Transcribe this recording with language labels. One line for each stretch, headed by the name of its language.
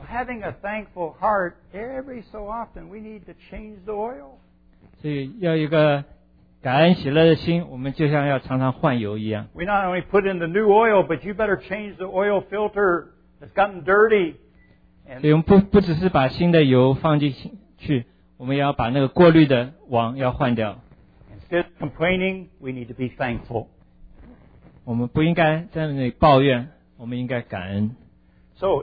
English: having a thankful heart, every so often we need to change the oil.
Chinese: 所以要一个感恩喜乐的心，我们就像要常常换油一样。
English: We not only put in the new oil, but you better change the oil filter. It's gotten dirty.
Chinese: 所以我们不只是把新的油放进去，我们要把那个过滤的网要换掉。
English: Instead of complaining, we need to be thankful.
Chinese: 我们不应该在那里抱怨，我们应该感恩。
English: So